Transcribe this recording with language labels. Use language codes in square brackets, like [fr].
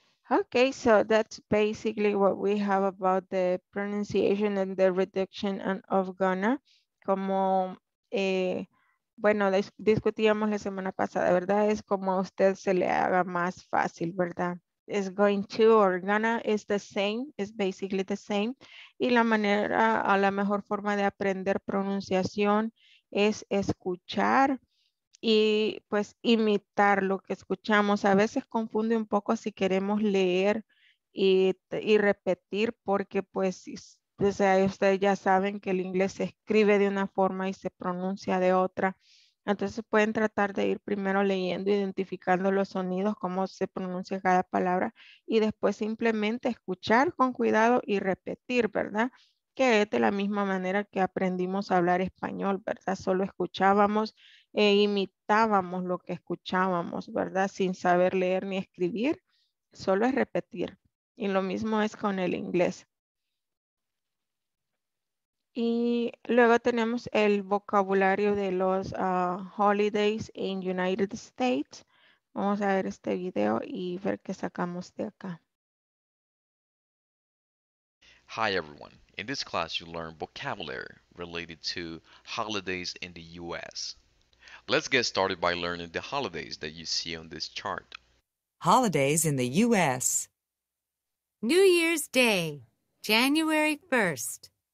[en] Okay, so that's basically what we have about the pronunciation and the reduction of gonna. [es] Como, bueno, discutíamos la semana pasada, ¿verdad? Es como a usted se le haga más fácil, ¿verdad? [en] Is going to or gonna is the same, is basically the same. [es] Y la manera, a la mejor forma de aprender pronunciación es escuchar. Y pues imitar lo que escuchamos. A veces confunde un poco si queremos leer y repetir, porque pues o sea, ustedes ya saben que el inglés se escribe de una forma y se pronuncia de otra. Entonces pueden tratar de ir primero leyendo, identificando los sonidos, cómo se pronuncia cada palabra, y después simplemente escuchar con cuidado y repetir, ¿verdad? Que es de la misma manera que aprendimos a hablar español, ¿verdad? Solo escuchábamos e imitábamos lo que escuchábamos, ¿verdad? Sin saber leer ni escribir, solo es repetir. Y lo mismo es con el inglés. Y luego tenemos el vocabulario de los [en] holidays in United States. [es] Vamos a ver este video y ver qué sacamos de acá. [en] Hi everyone. In this class you learn vocabulary related to holidays in the US. Let's get started by learning the holidays that you see on this chart. Holidays in the U.S. New Year's Day, January 1st.